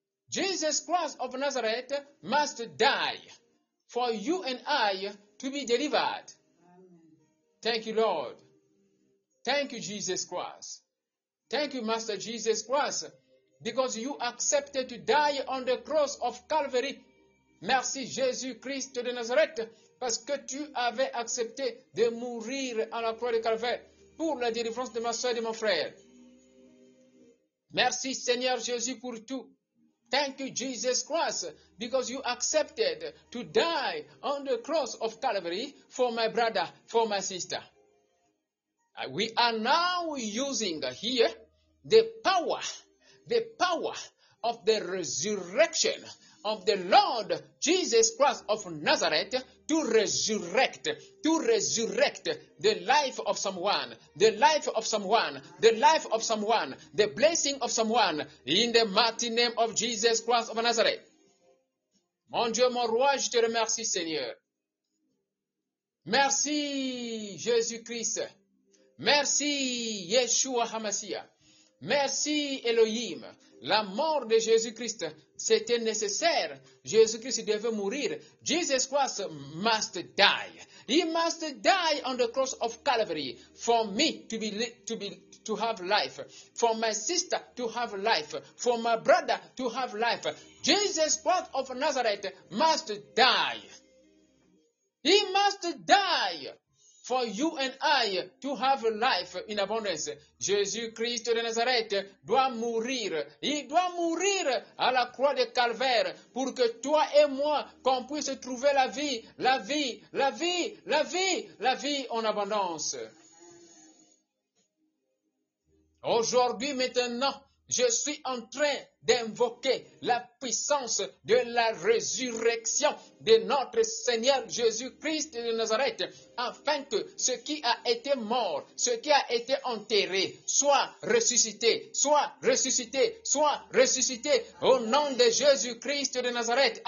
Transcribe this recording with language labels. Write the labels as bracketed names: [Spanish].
[English] Jesus Christ of Nazareth must die for you and I to be delivered. Amen. Thank you, Lord. Thank you, Jesus Christ. Thank you, Master Jesus Christ, because you accepted to die on the cross of Calvary. [French] Merci, Jésus-Christ de Nazareth, parce que tu avais accepté de mourir à la croix de Calvaire pour la délivrance de ma soeur et de mon frère. Merci, Seigneur Jésus, pour tout. [English] Thank you, Jesus Christ, because you accepted to die on the cross of Calvary for my brother, for my sister. We are now using here the power of the resurrection of the Lord Jesus Christ of Nazareth to resurrect the life of someone, the life of someone, the life of someone, the blessing of someone, in the mighty name of Jesus Christ of Nazareth. [French] Mon Dieu, mon roi, je te remercie, Seigneur. Merci, Jésus-Christ. Merci, Yeshua HaMashiach. Merci, Elohim. La mort de Jésus-Christ, c'était nécessaire. Jésus-Christ devait mourir. [English] Jesus Christ must die. He must die on the cross of Calvary for me to be, to be, to have life, for my sister to have life, for my brother to have life. Jesus Christ of Nazareth must die. He must die for you and I to have life in abundance. [French] Jésus Christ de Nazareth doit mourir. Il doit mourir à la croix de Calvaire pour que toi et moi qu'on puisse trouver la vie, la vie, la vie, la vie, la vie en abondance. Aujourd'hui, maintenant, je suis en train d'invoquer la puissance de la résurrection de notre Seigneur Jésus-Christ de Nazareth, afin que ce qui a été mort, ce qui a été enterré, soit ressuscité, soit ressuscité, soit ressuscité, au nom de Jésus-Christ de Nazareth.